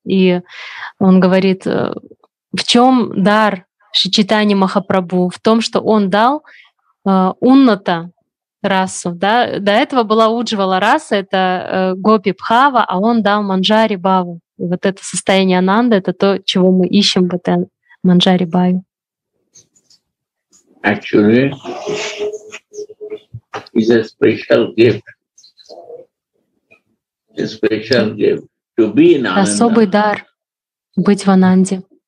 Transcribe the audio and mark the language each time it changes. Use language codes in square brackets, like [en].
[ru] И он говорит, в чем дар Шри Чайтаньи Махапрабху? В том, что он дал уннато расу. Да? До этого была уджвала раса, это гопи бхава, а он дал манджари бхаву. И вот это состояние ананда, это то, чего мы ищем в этой манджари бхаве. [en] Actually, it's a special gift. A special gift. to be in Ananda. [ru] Особый дар быть в Ананде.